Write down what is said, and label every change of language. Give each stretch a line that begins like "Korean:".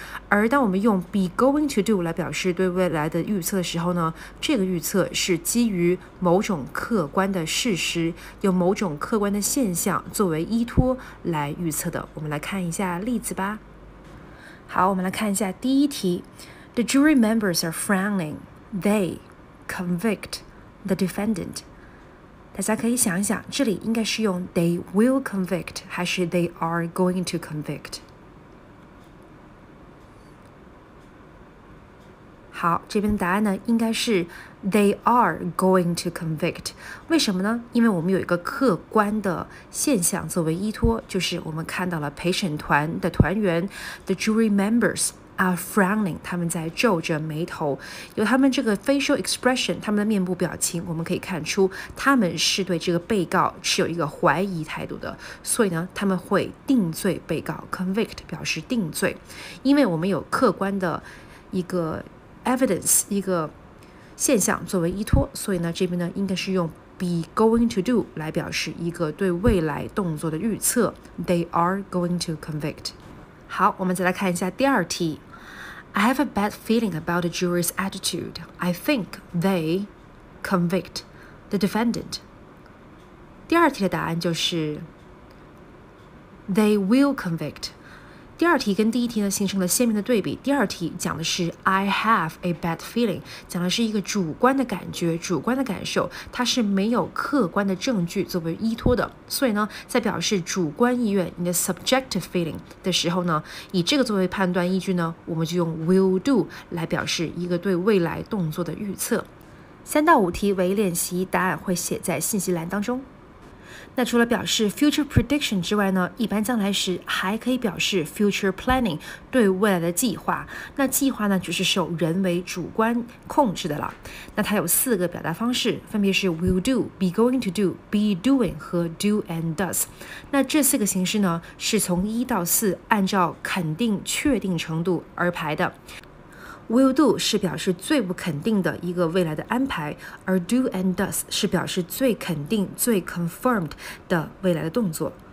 Chinese: 而当我们用 be going to do 来表示对未来的预测的时候呢，这个预测是基于某种客观的事实，有某种客观的现象作为依托来预测的。我们来看一下例子吧。好，我们来看一下第一题。
English: The jury members are frowning. They convict the defendant.
Chinese: 大家可以想一想，这里应该是用
English: they will convict
Chinese: 还是
English: they are going to convict？
Chinese: 好，这边的答案呢应该是
English: they are going to convict。
Chinese: 为什么呢？因为我们有一个客观的现象作为依托，就是我们看到了陪审团的团员
English: the jury members are frowning，
Chinese: 他们在皱着眉头。由他们这个 facial expression， 他们的面部表情，我们可以看出他们是对这个被告持有一个怀疑态度的，所以呢他们会定罪被告。 convict 表示定罪，因为我们有客观的一个evidence 一个现象作为依托，所以呢这边呢应该是用 be going to do 来表示一个对未来动作的预测。
English: They are going to convict。
Chinese: 好，我们再来看一下第二题。
English: I have a bad feeling about the jury's attitude. I think they convict the defendant.
Chinese: 第二题的答案就是
English: they will convict。
Chinese: 第二题跟第一题呢形成了鲜明的对比。第二题讲的是
English: I have a bad feeling，
Chinese: 讲的是一个主观的感觉，主观的感受，它是没有客观的证据作为依托的。所以呢在表示主观意愿，你的 subjective feeling 的时候呢，以这个作为判断依据呢，我们就用 will do 来表示一个对未来动作的预测。三到五题为练习，答案会写在信息栏当中。那除了表示 future prediction 之外呢，一般将来时还可以表示 future planning， 对未来的计划。那计划呢就是受人为主观控制的了。那它有四个表达方式，分别是 will do、 be going to do、 be doing 和 do and does。那这四个形式呢是从一到四按照肯定确定程度而排的。 Will do 是表示最不肯定的一个未来的安排，而 do and does 是表示最肯定最 confirmed 的未来的动作。